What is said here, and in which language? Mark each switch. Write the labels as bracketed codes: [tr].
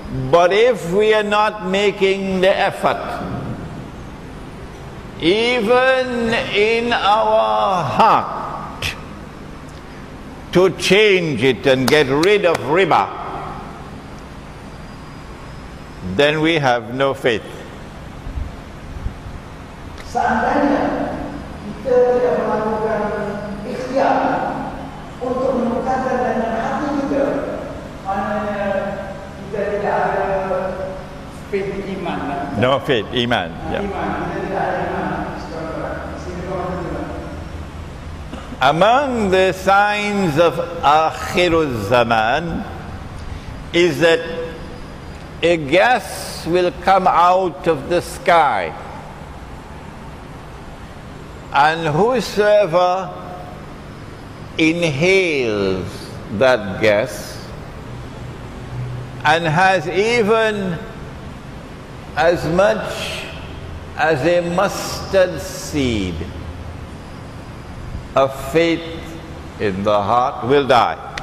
[en] But if we are not making the effort, even in our heart, to change it and get rid of riba, then we have no faith. [ms] Seandainya kita tidak melakukan ikhtiar untuk menukarkan dengan hati kita, maknanya kita tidak ada faith, iman. [en] No faith, iman. Yeah. [ms] Iman, kita tidak ada iman. [en] Among the signs of akhiruz zaman is that a gas will come out of the sky, and whosoever inhales that gas and has even as much as a mustard seed of faith in the heart will die.